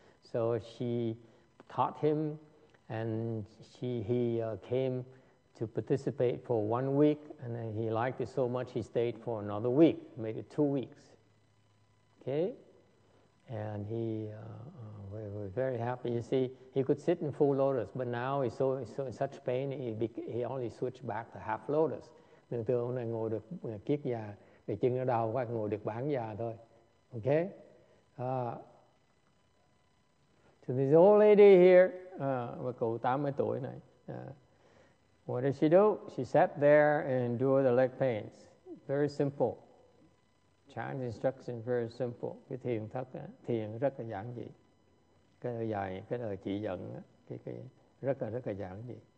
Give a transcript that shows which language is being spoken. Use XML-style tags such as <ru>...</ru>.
<en>So she taught him, and he came to participate for 1 week, and then he liked it so much he stayed for another week, maybe 2 weeks. Okay? And he was very happy. You see, he could sit in full lotus, but now he's so in such pain, he only switched back to half lotus.</en> <vi>Thường thường ông này ngồi được kiết già, vì chân nó đau quá, ngồi được bán già thôi.</vi> <en>Okay? So this old lady here,</en> <vi>bà cụ 80 tuổi này,</vi> <en>what did she do? She sat there and endured the leg pains. Very simple. Chinese instruction is very simple.</en> <vi>Cái thiền thất, thiền rất là giản dị. Cái lời dạy, cái lời chỉ dẫn, cái rất là giản dị.</vi>